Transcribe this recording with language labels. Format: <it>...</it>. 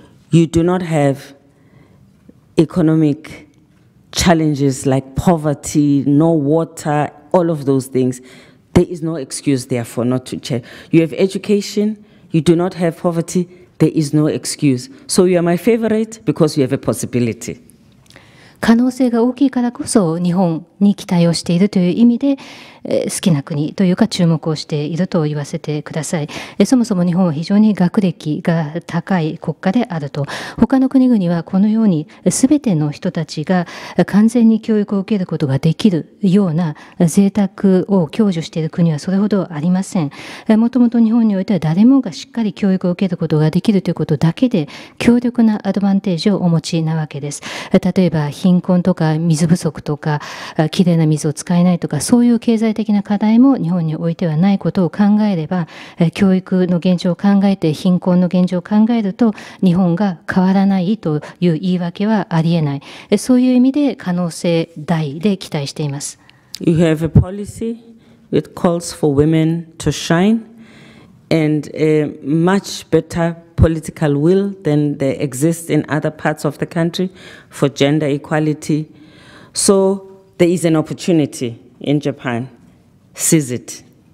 <en>You do not have economic challenges like poverty, no water, all of those things. There is no excuse, therefore, not to check. You have education, you do not have poverty, there is no excuse. So you are my favorite because you have a possibility.</en> <ja>可能性が大きいからこそ日本に期待をしているという意味で好きな国というか注目をしていると言わせてください。そもそも日本は非常に学歴が高い国家であると、他の国々はこのように全ての人たちが完全に教育を受けることができるような贅沢を享受している国はそれほどありません。もともと日本においては誰もがしっかり教育を受けることができるということだけで強力なアドバンテージをお持ちなわけです。例えば貧困とか水不足とかきれいな水を使えないとか、そういう経済的な課題も日本においてはないことを考えれば、教育の現状を考えて貧困の現状を考えると日本が変わらないという言い訳はありえない。そういう意味で可能性大で期待しています。</ja> <en>You have a policy that calls for women to shine and a much betterpolitical will than there exists in other parts of the country for gender equality. So there is an opportunity in Japan. Seize it.</en>